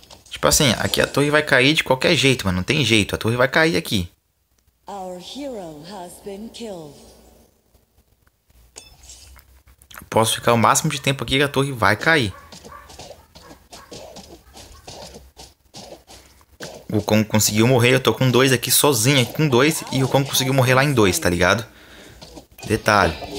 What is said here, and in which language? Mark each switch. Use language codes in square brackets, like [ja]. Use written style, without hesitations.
[pt] Tipo assim, aqui a torre vai cair de qualquer jeito, mano. Não tem jeito, a torre vai cair aqui. [en] Our hero has been killed. [pt] Posso ficar o máximo de tempo aqui que a torre vai cair. O Kong conseguiu morrer. Eu tô com 2 aqui sozinho aqui com 2. E o Kong conseguiu morrer lá em 2, tá ligado? Detalhe.